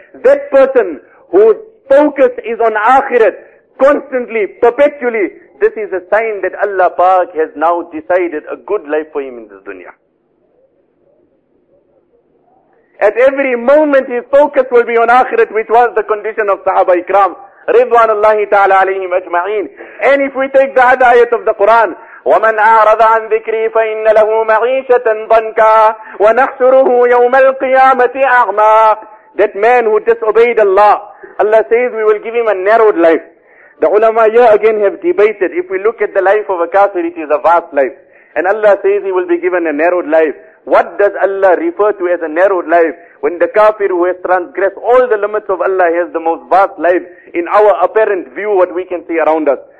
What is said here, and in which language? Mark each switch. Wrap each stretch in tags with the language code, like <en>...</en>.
<en>That person whose focus is on akhirat, constantly, perpetually, this is a sign that Allah Pak has now decided a good life for him in this dunya. At every moment his focus will be on akhirat, which was the condition of Sahaba Ikram.</en> <ar>رضوان الله تعالى عليهم أجمعين.</ar> <en>And if we take the other ayat of the Quran,</en> <ar>وَمَنْ أَعْرَضَ عَنْ ذِكْرِي فَإِنَّ لَهُ مَعِيشَةً ضَنْكًا وَنَحْشُرُهُ يَوْمَ الْقِيَامَةِ أَعْمَى.</ar> <en>That man who disobeyed Allah, Allah says we will give him a narrowed life. The ulama here again have debated. If we look at the life of a kafir, it is a vast life. And Allah says he will be given a narrowed life. What does Allah refer to as a narrowed life? When the kafir who has transgressed all the limits of Allah has the most vast life in our apparent view, what we can see around us.</en>